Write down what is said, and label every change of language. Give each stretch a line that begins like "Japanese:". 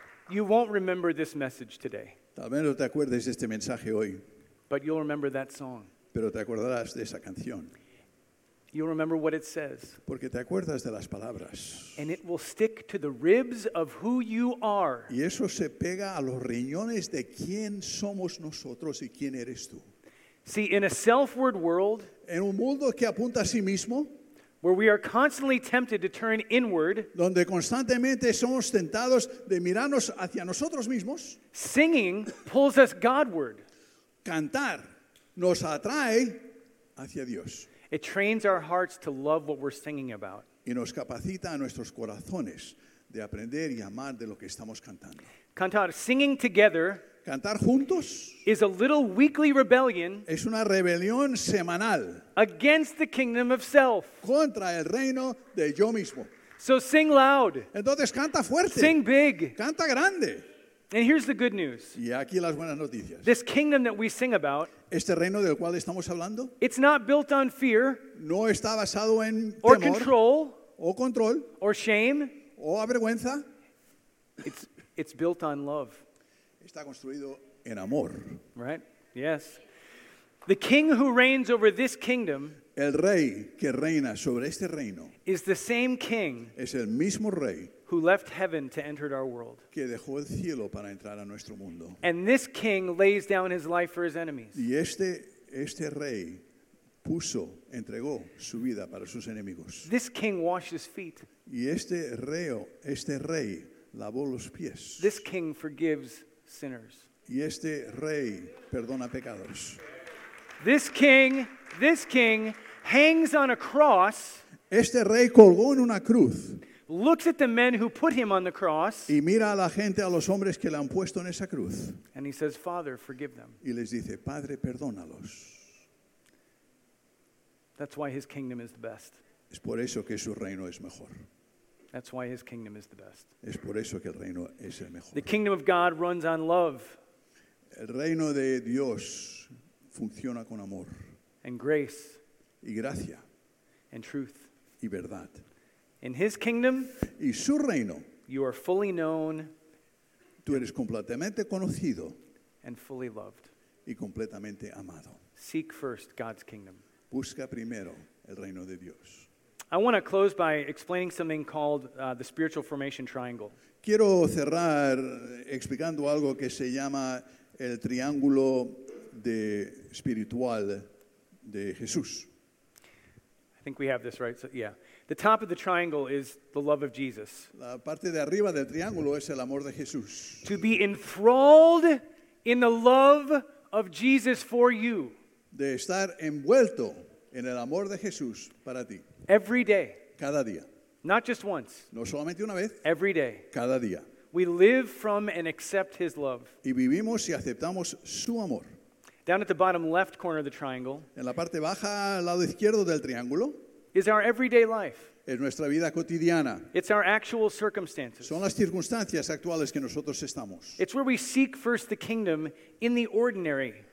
English: You won't remember this message today.
Spanish: Tal vez no te acuerdes de este mensaje hoy.
English: But you'll remember that song.
Spanish: Pero te acordarás de esa canción.
English: You'll remember what it says.
Spanish: Porque te acuerdas de las palabras.
English: And it will stick to the ribs of who you are.
Spanish: Y eso se pega a los riñones de quién somos nosotros y quién eres tú.
English: See, in a self-ward world,
Spanish: en un mundo que apunta a sí mismo,
English: where we are constantly tempted to turn inward,
Spanish: donde constantemente somos tentados de mirarnos hacia nosotros mismos,
English: singing pulls us Godward.
Spanish: Cantar nos atrae hacia Dios.
English: It trains our hearts to love what we're singing about.
Spanish: Y nos capacita a nuestros corazones de aprender y amar de lo que estamos cantando.
English: Cantar, singing together,
Spanish: cantar juntos,
English: is a little weekly rebellion,
Spanish: es una rebelión semanal,
English: against the kingdom of self,
Spanish: contra el reino de yo mismo.
English: So sing loud.
Spanish: Entonces canta fuerte.
English: Sing big.
Spanish: Canta grande.
English: And here's the good news.
Spanish: Y aquí las buenas noticias.
English: This kingdom that we sing about,
Spanish: este reino del cual estamos hablando,
English: it's not built on fear,
Spanish: no está basado en temor,
English: or control,
Spanish: o control,
English: or shame,
Spanish: o avergüenza.
English: It's built on love.
Spanish: Está construido en amor.
English: Right? Yes. The king who reigns over this kingdom,
Spanish: el rey que reina sobre este reino,
English: is the same king,
Spanish: es el mismo rey,
English: who left heaven to enter our world,
Spanish: que dejó el cielo para entrar a nuestro mundo.
English: And this king lays down his life for his enemies.
Spanish: Y este rey puso, entregó su vida para sus enemigos.
English: This king washes feet.
Spanish: Y este rey lavó los pies.
English: This king forgives sinners.
Spanish: Y este rey perdona pecados.
English: This king hangs on a cross.
Spanish: Este rey colgó en una cruz.
English: Looks at the men who put him on the cross.
Spanish: Y mira a la gente, a los hombres que le han puesto en esa cruz.
English: And he says, "Father, forgive them."
Spanish: Y les dice, "Padre, perdónalos."
English: That's why his kingdom is the best.
Spanish: Es por eso que su reino es mejor.
English: That's why his kingdom is the best.
Spanish: Es por eso que el reino es el mejor.
English: The kingdom of God runs on love.
Spanish: El reino de Dios funciona con amor.
English: And grace.
Spanish: Y gracia.
English: And truth.
Spanish: Y verdad.
English: In his kingdom,
Spanish: y su reino,
English: you are fully known.
Spanish: Tú eres completamente conocido.
English: And fully loved.
Spanish: Y completamente amado.
English: Seek first God's kingdom.
Spanish: Busca primero el reino de Dios.
English: I want to close by explaining something called the spiritual formation triangle.
Spanish: Quiero cerrar explicando algo que se llama el triángulo espiritual de Jesús.
English: I think we have this right. So, yeah. The top of the triangle is the love of Jesus.
Spanish: La parte de arriba del triángulo es el amor de Jesús.
English: To be enthralled in the love of Jesus for you.
Spanish: De estar envuelto en el amor de Jesús para ti.
English: Every day.
Spanish: Cada día.
English: Not just once.
Spanish: No solamente una vez.
English: Every day.
Spanish: Cada día.
English: We live from and accept his love.
Spanish: Y vivimos y aceptamos su amor.
English: Down at the bottom left corner of the triangle.
Spanish: En la parte baja, al lado izquierdo del triángulo.
English: Is our everyday life.
Spanish: Es nuestra vida cotidiana.
English: It's our actual circumstances.
Spanish: Son las circunstancias actuales que nosotros estamos.
English: It's where we seek first the kingdom in the ordinary.